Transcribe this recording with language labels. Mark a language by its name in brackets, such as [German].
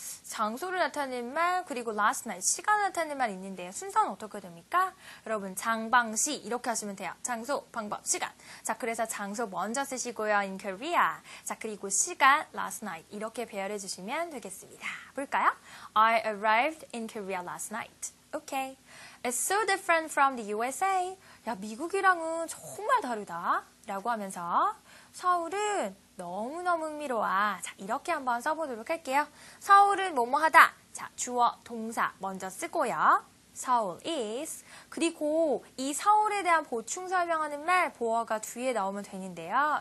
[Korean] 장소를 나타낸 말, 그리고 [English] last night, [Korean] 시간을 나타낸 말 있는데 순서는 어떻게 됩니까? 여러분, 장방시 이렇게 하시면 돼요. 장소, 방법, 시간. 자, 그래서 장소 먼저 쓰시고요. [English] In Korea. [Korean] 자, 그리고 시간, last night. 이렇게 배열해 주시면 되겠습니다. 볼까요? [English] I arrived in Korea last night. Okay. It's so different from the USA. [Korean] 야, 미국이랑은 정말 다르다. 라고 하면서 서울은 너무너무 흥미로워. 자, 이렇게 한번 써보도록 할게요. 서울은 뭐뭐하다. 자, 주어, 동사 먼저 쓰고요. [English] Seoul is. [Korean] 그리고 이 서울에 대한 보충 설명하는 말 보어가 뒤에 나오면 되는데요.